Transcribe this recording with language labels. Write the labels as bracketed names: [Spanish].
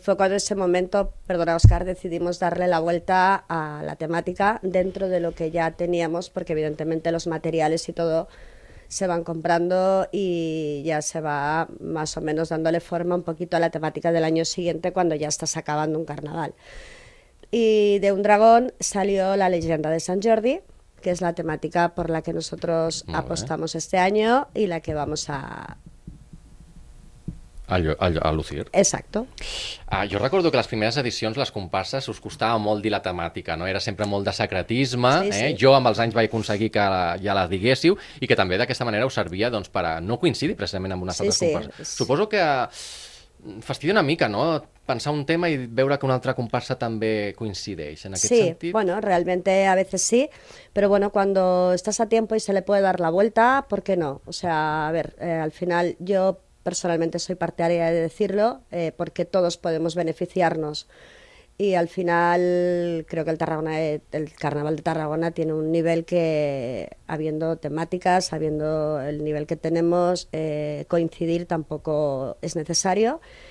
[Spanish] Fue cuando ese momento, perdona Oscar, decidimos darle la vuelta a la temática dentro de lo que ya teníamos, porque evidentemente los materiales y todo se van comprando y ya se va más o menos dándole forma un poquito a la temática del año siguiente cuando ya estás acabando un carnaval. Y de un dragón salió la leyenda de San Jordi, que es la temática por la que nosotros muy apostamos bien este año y la que vamos a lucir. Exacto. [Catalan] Jo recordo que les primeres edicions, les comparses, us costava molt dir la temàtica, no? Era sempre molt de secretisme, sí, eh? Sí. Jo amb els anys vaig aconseguir que ja la diguéssiu i que també d'aquesta manera us servia doncs, per a no coincidir precisament amb unes altres comparses. Suposo que fastidia una mica, no?, pensar un tema i veure que una altra comparsa també coincideix en aquest sí, sentit. [Spanish] Sí, bueno, realmente a veces sí, pero bueno, cuando estás a tiempo y se le puede dar la vuelta, ¿por qué no? O sea, a ver, al final yo personalmente soy partidaria de decirlo, porque todos podemos beneficiarnos. Y al final creo que el Carnaval de Tarragona tiene un nivel que, habiendo temáticas, habiendo el nivel que tenemos, coincidir tampoco es necesario.